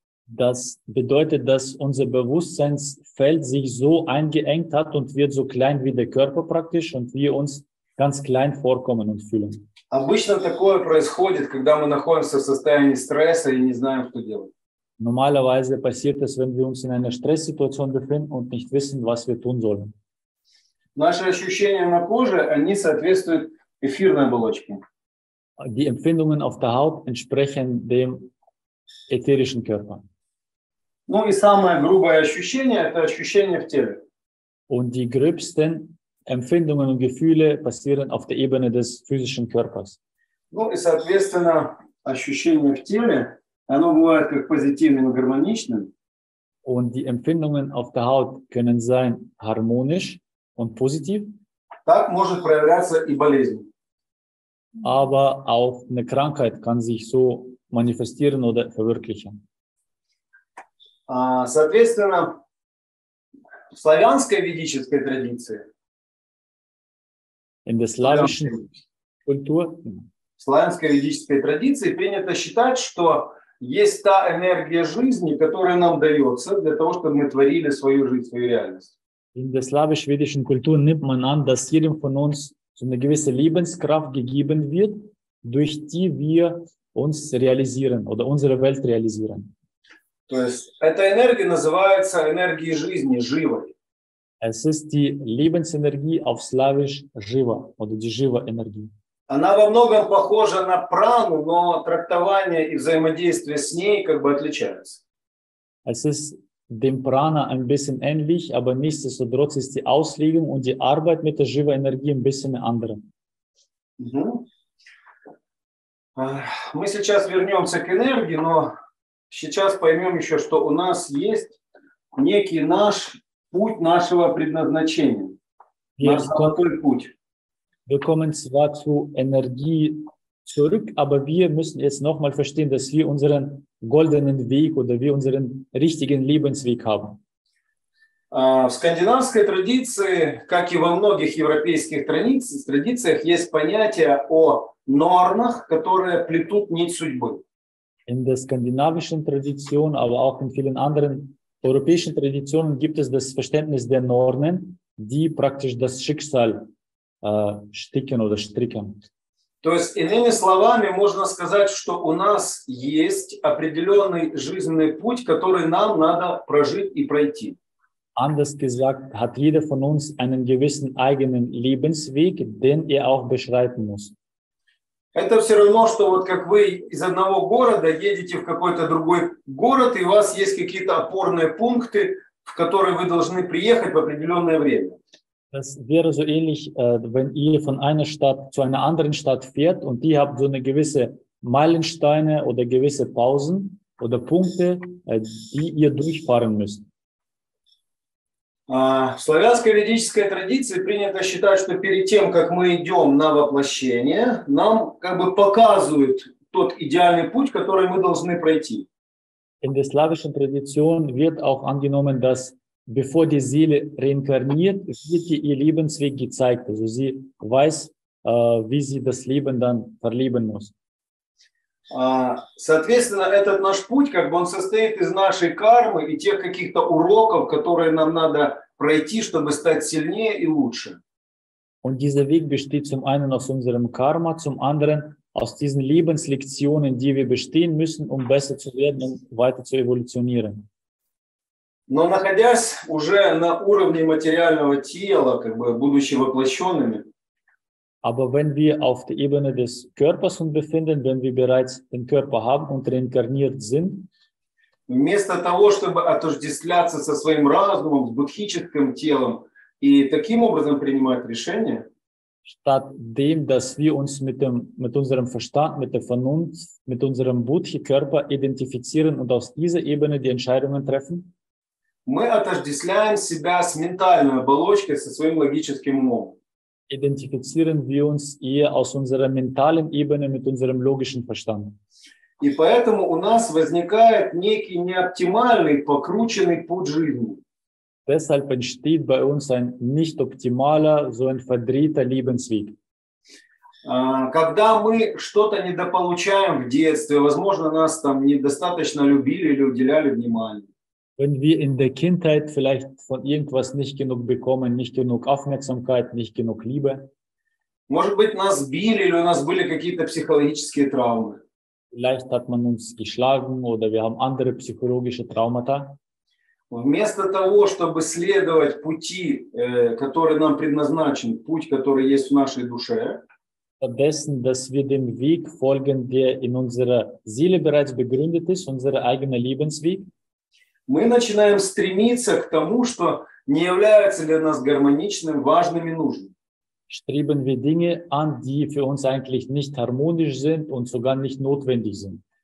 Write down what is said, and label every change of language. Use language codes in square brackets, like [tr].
[de] Das bedeutet, dass unser Bewusstseinsfeld sich so eingeengt hat und wird so klein wie der Körper praktisch und wir uns ganz klein vorkommen und fühlen. [ru] Обычно такое происходит, когда мы находимся в состоянии стресса и не знаем, что делать. [de] Normalerweise passiert es, wenn wir uns in einer Stresssituation befinden und nicht wissen, was wir tun sollen. [ru] Наши ощущения на коже, они соответствуют эфирной оболочке. [de] Die Empfindungen auf der Haut entsprechen dem ätherischen Körper. [ru] Ну и самое грубое ощущение – это ощущение в теле. [de] Und die gröbsten Empfindungen und Gefühle passieren auf der Ebene des physischen Körpers. [ru] Ну и соответственно ощущение в теле, оно бывает как позитивным и гармоничным. [de] Und die Empfindungen auf der Haut können sein harmonisch und positiv. [ru] Так может проявляться и болезнь. [de] Aber auch eine Krankheit kann sich so manifestieren oder verwirklichen. [ru] Соответственно, в славянской ведической традиции. [de] In der slavischen Kultur. [ru] В славянской ведической традиции принято считать, что есть та энергия жизни, которая нам дается для того, чтобы мы творили свою жизнь, свою реальность. [de] In der slavisch-vedischen Kultur nimmt man an, dass jedem von uns so eine gewisse Lebenskraft gegeben wird, durch die wir uns realisieren oder unsere Welt realisieren. [ru] То есть эта энергия называется энергией жизни, живой. [de] Es ist die Lebensenergie auf Slavisch Živa oder die Živa-Energie. [ru] Она во многом похожа на прану, но трактование и взаимодействие с ней как бы отличаются. [de] Es ist dem Prana ein bisschen ähnlich, aber nichtsdestotrotz ist die Auslegung und die Arbeit mit der Živa-Energie ein bisschen andere. [ru] Мы сейчас вернемся к энергии, но сейчас поймем еще, что у нас есть некий наш путь нашего предназначения. Наш золотой путь. [de] Wir kommen zwar zu Energie zurück, aber wir müssen jetzt nochmal verstehen, dass wir unseren goldenen Weg oder wir unseren richtigen Lebensweg haben. [ru] В скандинавской традиции, как и во многих европейских традициях, есть понятие о норнах, которые плетут нить судьбы. [de] In der skandinavischen Tradition, aber auch in vielen anderen europäischen Traditionen gibt es das Verständnis der Nornen, die praktisch das Schicksal sticken oder stricken. [ru] То есть, иными словами, можно сказать, что у нас есть определенный жизненный путь, который нам надо прожить и пройти. [de] Anders gesagt, hat jeder von uns einen gewissen eigenen Lebensweg, den auch beschreiten muss. [ru] Это все равно, что вот как вы из одного города едете в какой-то другой город, и у вас есть какие-то опорные пункты, в которые вы должны приехать в определенное время. [de] Das wäre so ähnlich, wenn ihr von einer Stadt zu einer anderen Stadt fährt und die habt so eine gewisse Meilensteine oder gewisse Pausen oder Punkte, die ihr durchfahren müsst. [ru] В славянской ведической традиции принято считать, что перед тем, как мы идем на воплощение, нам как бы показывают тот идеальный путь, который мы должны пройти. [de] In der slawischen Tradition wird auch angenommen, dass bevor die Seele reinkarniert, wird ihr Lebensweg gezeigt. Also sie weiß, wie sie das Leben dann verleben muss. [ru] Соответственно, этот наш путь, как бы он состоит из нашей кармы и тех каких-то уроков, которые нам надо пройти, чтобы стать сильнее и лучше. [de] Und dieser Weg besteht zum einen aus unserem Karma, zum anderen aus diesen Lebenslektionen, die wir bestehen müssen, um besser zu werden und weiter zu evolutionieren. [ru] Но находясь уже на уровне материального тела, как бы будучи воплощенными, [de] aber wenn wir auf der Ebene des Körpers uns befinden, wenn wir bereits den Körper haben und reinkarniert sind, [ru] Вместо того, чтобы отождествляться со своим разумом, с будхическим телом и таким образом принимать решения, [de] statt dem, dass wir uns mit unserem Verstand, mit der Vernunft, mit unserem Buddhi-Körper identifizieren und aus dieser Ebene die Entscheidungen treffen, [ru] мы отождествляем себя с ментальной оболочкой, со своим логическим умом. [de] Identifizieren wir uns eher aus unserer mentalen Ebene mit unserem logischen Verstand. [ru] И поэтому у нас возникает некий неоптимальный, покрученный путь жизни. [de] Deshalb entsteht bei uns ein nicht optimaler, so ein verdrehter Lebensweg. [ru] Когда мы что-то недополучаем в детстве, возможно, нас там недостаточно любили или уделяли внимание. [de] Wenn wir in der Kindheit vielleicht von irgendwas nicht genug bekommen, nicht genug Aufmerksamkeit, nicht genug Liebe. [ru] Может быть, нас били или у нас были какие-то психологические травмы. [de] Vielleicht hat man uns geschlagen oder wir haben andere psychologische Traumata. [ru] Вместо того, чтобы следовать пути, который нам предназначен, путь, который есть в нашей душе, [de] stattdessen, dass wir dem Weg folgen, der in unserer Seele bereits begründet ist, unser eigener Lebensweg, [ru] мы начинаем стремиться к тому, что не является для нас гармоничным, важным и нужным. [de] Streben wir Dinge an, die für uns eigentlich nicht harmonisch sind und sogar nicht notwendig sind.